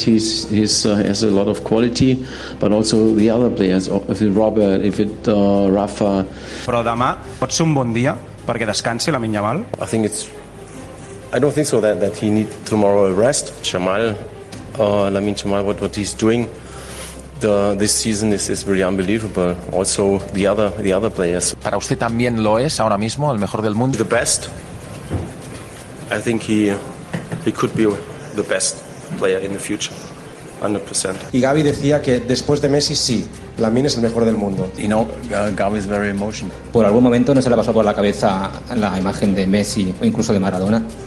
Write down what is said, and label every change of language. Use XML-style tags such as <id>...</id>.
<en>He has a lot of quality, but also the other players, if it's Robert, if it's Rafa.</en> <ca>Però demà pot ser un bon dia perquè descansi Lamine Yamal.</ca> <en>I don't think so that he need tomorrow a rest. Lamine Yamal, what he's doing this season is really unbelievable. Also the other players.</en> <es>Para usted también lo es ahora mismo el mejor del mundo.</es> <en>The best. I think he could be the best player in the future, 100%.</en> <es>Y Gavi decía que después de Messi sí, Lamine es el mejor del mundo.</es> <en>You know, Gavi is very emotional.</en> <es>¿Por algún momento no se le pasó por la cabeza la imagen de Messi o incluso de Maradona?</es>